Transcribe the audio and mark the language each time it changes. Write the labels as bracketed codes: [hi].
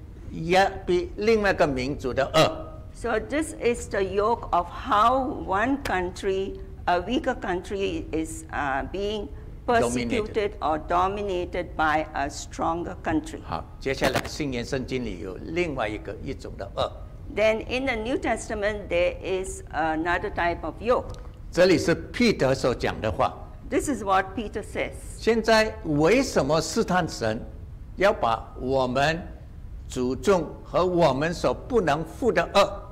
[zh] 换句话说，这是一个国家压迫另外一个国家，或者一个民族压迫另外一个民族的轭。 [en] So this is the yoke of how one country, a weaker country, is being persecuted or dominated by a stronger country. [zh] 好，接下来新约圣经里有另外一种的轭。 [en] Then in the New Testament, there is another type of yoke. [zh] 这里是彼得所讲的话。 [en] This is what Peter says. [zh] 现在为什么试探神，要把我们主众和我们所不能负的轭？